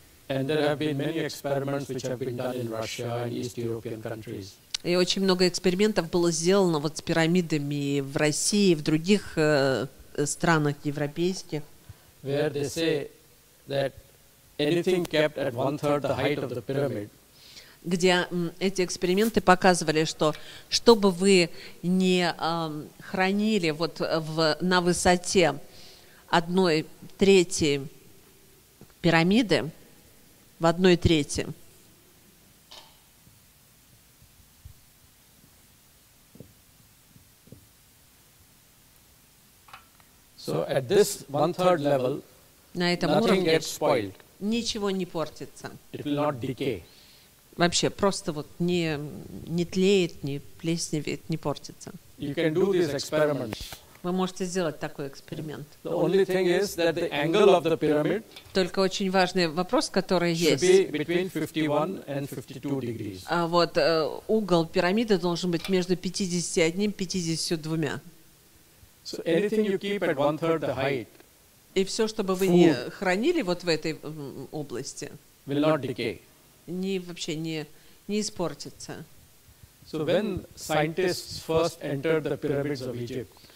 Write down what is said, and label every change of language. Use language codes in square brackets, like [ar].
[en] And there have been many experiments which have been done in Russia and East European countries. [ru] И очень много экспериментов было сделано вот с пирамидами в России, в других странах европейских. [en] Where they say that anything kept at one third the height of the pyramid. [ru] Где эти эксперименты показывали, что чтобы вы не хранили вот на высоте одной трети пирамиды, в одной трети. [en] So at this one third level, [ru] на этом [en] nothing [ru] уровне [en] gets spoiled. [ru] Ничего не портится. [en] It will not decay. [ru] Вообще просто вот не тлеет, не плесневеет, не портится. [en] You can do these experiments. [ru] Вы можете сделать такой эксперимент. [en] The only thing is that the angle of the pyramid. [ru] Только очень важный вопрос, который есть. [en] Should be between 51 and 52 degrees. [ru] А вот угол пирамиды должен быть между 51 и 52. [en] So anything you keep at one third the height. [ru] И все, чтобы вы не хранили вот в этой области. [en] Will not decay. [ru] Не испортится. [en] So when scientists first entered the pyramids of Egypt.